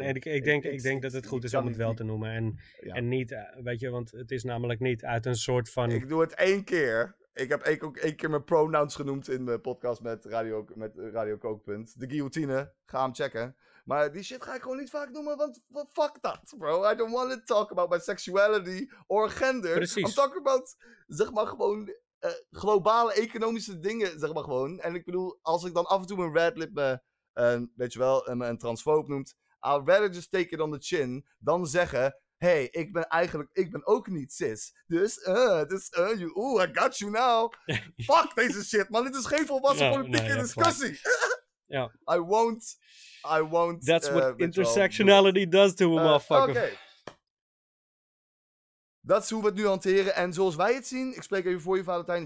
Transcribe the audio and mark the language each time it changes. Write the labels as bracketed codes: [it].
[nl] Ik denk dat het goed is om het wel te noemen. En niet, weet je, want het is namelijk niet uit een soort van... Ik doe het één keer. Ik heb ook één keer mijn pronouns genoemd in mijn podcast met Radio Kookpunt. De guillotine. Ga hem checken. Maar die shit ga ik gewoon niet vaak noemen, want fuck dat, bro. [en] I don't want to talk about my sexuality or gender. [nl] Precies. [en] I'm talking about, [nl] zeg maar, gewoon globale economische dingen, zeg maar gewoon. En ik bedoel, als ik dan af en toe mijn red lip me, weet je wel, een transfoob noemt, [en] I'd rather just take it on the chin [nl] dan zeggen... Hey, ik ben ook niet cis. Dus, [en] I got you now. [nl] Fuck deze shit, man. Dit is geen volwassen politieke discussie. Ja. [en] I won't. That's what intersectionality does to a motherfucker. [nl] Oké. Okay. Dat is hoe we het nu hanteren. En zoals wij het zien, ik spreek even voor je, Valentijn.